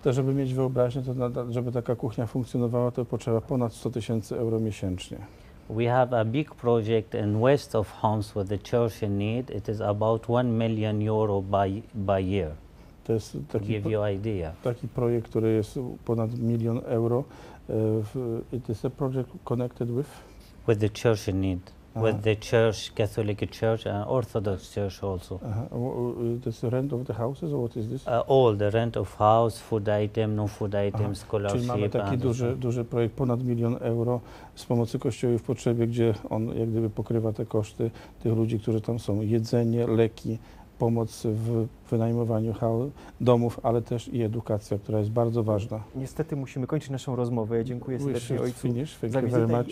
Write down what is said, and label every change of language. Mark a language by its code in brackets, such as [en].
[pl] To żeby mieć wyobraźnię, to żeby taka kuchnia funkcjonowała, to potrzeba ponad 100,000 euro miesięcznie. [en] We have a big project in west of Homs with the Church in Need. It is about 1 million euro by year. [pl] To jest taki, [en] give you idea. [pl] Taki projekt, który jest ponad milion euro. [en] It is a project connected with the Church in Need. With the church, Catholic church and Orthodox church also. This rent of the houses or what is this? All the rent of house, food item, non-food item, scholarship. [pl] Czyli mamy taki duży projekt, ponad milion euro z pomocy Kościoła w Potrzebie, gdzie on jak gdyby pokrywa te koszty tych ludzi, którzy tam są. Jedzenie, leki, pomoc w wynajmowaniu domów, ale też i edukacja, która jest bardzo ważna. Niestety musimy kończyć naszą rozmowę. Ja dziękuję serdecznie Ojcu za wizytę.